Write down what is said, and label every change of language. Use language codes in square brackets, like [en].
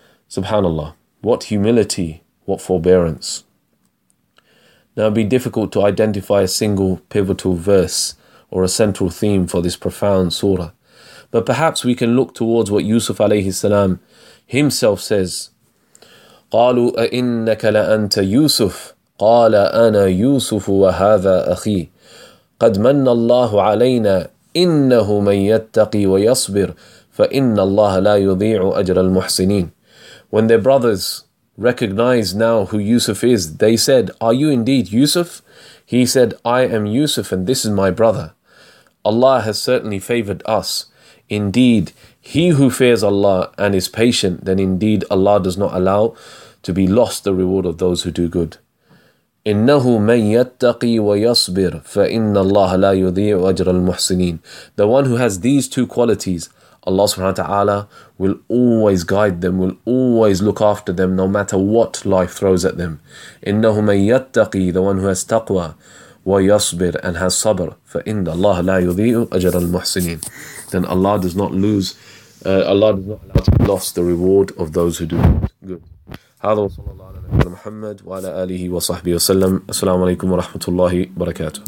[en] SubhanAllah, what humility, what forbearance. Now it'd be difficult to identify a single pivotal verse or a central theme for this profound surah. But perhaps we can look towards what Yusuf alayhi salam himself says. [ar] قَالُوا أَإِنَّكَ لَأَنْتَ يُوسُفُ قال أنا يوسف وهذا أخي قد من الله علينا إنه من يتقي ويصبر فإن الله لا يضيع أجر المحسنين. [en] When their brothers recognized now who Yusuf is, they said, Are you indeed Yusuf? He said, I am Yusuf and this is my brother. Allah has certainly favored us. Indeed, he who fears Allah and is patient, then indeed Allah does not allow to be lost the reward of those who do good. [ar] إِنَّهُ مَنْ يَتَّقِي وَيَصْبِرْ فَإِنَّ اللَّهَ لَا يُضِيعُ أَجْرَ الْمُحْسِنِينَ. [en] The one who has these two qualities, Allah subhanahu wa ta'ala will always guide them, will always look after them no matter what life throws at them. [ar] إِنَّهُ مَنْ يَتَّقِي, [en] the one who has taqwa, [ar] وَيَصْبِرْ, [en] and has sabr, [ar] فَإِنَّ اللَّهَ لَا يُضِيعُ أَجْرَ الْمُحْسِنِينَ. [en] Then Allah does not lose, Allah does not allow to be lost the reward of those who do good. [ar] هذا وصلى الله على نبينا محمد وعلى آله وصحبه وسلم. السلام عليكم ورحمة الله وبركاته.